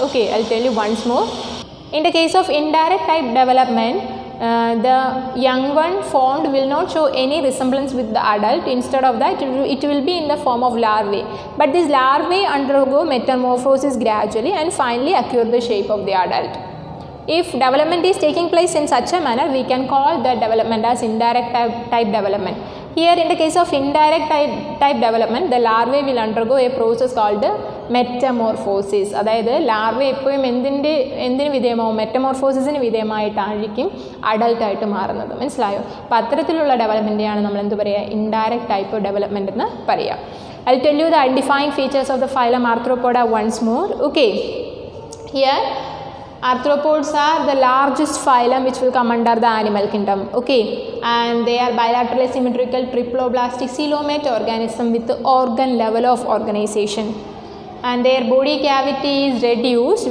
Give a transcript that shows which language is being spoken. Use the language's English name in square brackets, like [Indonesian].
[English] Okay, I tell you once more. In the case of indirect type development the young one formed will not show any resemblance with the adult. Instead of that it will be in the form of larvae, but this larvae undergo metamorphosis gradually and finally acquire the shape of the adult. If development is taking place in such a manner, we can call that development as indirect type development. Here in the case of indirect type development, the larvae will undergo a process called metamorphosis. [Malayalam] അതായത് larvae എപ്പോഴും എന്തിന് വിധേയമാവും, മെറ്റമോർഫോസിസിന് വിധേയമായിട്ടായിരിക്കും adult ആയിട്ട് മാറുന്നത്. മനസ്സിലായോ? അപ്പം അത്തരത്തിലുള്ള development ആണ് നമ്മൾ എന്ത് പറയുക, ഇൻഡയറക്റ്റ് ടൈപ്പ് ഡെവലപ്മെൻ്റ് എന്ന് പറയുക. [English] I tell you the identifying features of the phylum Arthropoda once more. Okay, here arthropods are the largest phylum which will come under the animal kingdom. Okay, and they are bilaterally symmetrical triploblastic coelomate organism with organ level of organization, and their body cavity is reduced.